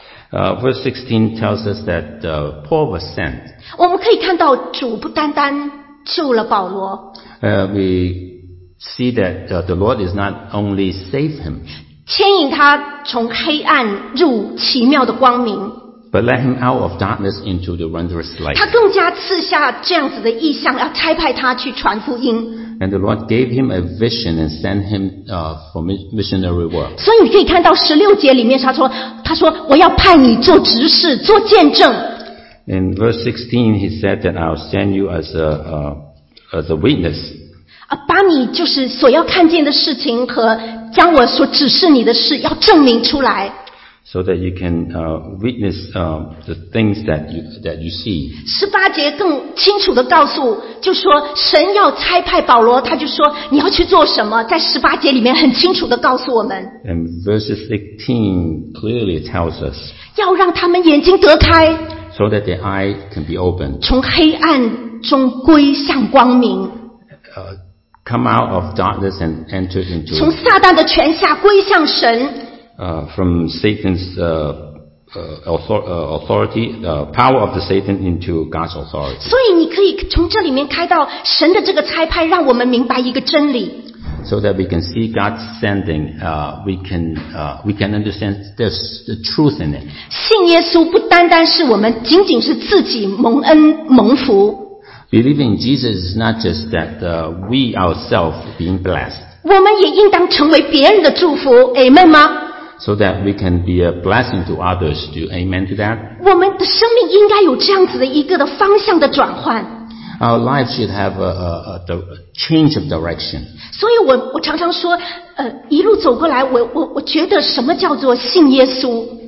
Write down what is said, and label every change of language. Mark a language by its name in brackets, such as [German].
[English] Verse 16 tells us that Paul was sent. [Chinese] 我们可以看到主不单单救了保罗。 [English] We see that the Lord is not only save him, [Chinese] 牵引他从黑暗入奇妙的光明 [English] but let him out of darkness into the wondrous light. [Chinese] 他更加赐下这样子的意象，要差派他去传福音。 [English] And the Lord gave him a vision and sent him for missionary work. [Chinese] 所以你可以看到十六节里面，他说我要派你做执事，做见证。 [English] In verse 16, he said that I'll send you as a witness. [Chinese] 把你就是所要看见的事情和将我所指示你的事要证明出来。 [English] So that you can witness the things that you see. [Chinese] 18节更清楚地告诉，就说神要差派保罗，他就说你要去做什么，在18节里面很清楚地告诉我们。 [English] And verse 18 clearly tells us. [Chinese] 要让他们眼睛得开。 [English] So that their eye can be opened. [Chinese] 从黑暗中归向光明。 [English] Come out of darkness and enter into. [Chinese] 从撒旦的权下归向神。 [English] From Satan's authority, power of the Satan into God's authority. [Chinese] 所以你可以从这里面看到神的这个差派，让我们明白一个真理。 [English] So that we can see God's sending, we can understand this, the truth in it. [Chinese] 信耶稣不单单是我们仅仅是自己蒙恩蒙福。 [English] Believing in Jesus is not just that we ourselves being blessed. [Chinese] 我们也应当成为别人的祝福 ，Amen 吗？ [English] So that we can be a blessing to others. Do you amen to that? [Chinese] 我们的生命应该有这样子的一个的方向的转换。 [English] Our life should have a change of direction. [Chinese] 所以我常常说，一路走过来，我觉得什么叫做信耶稣？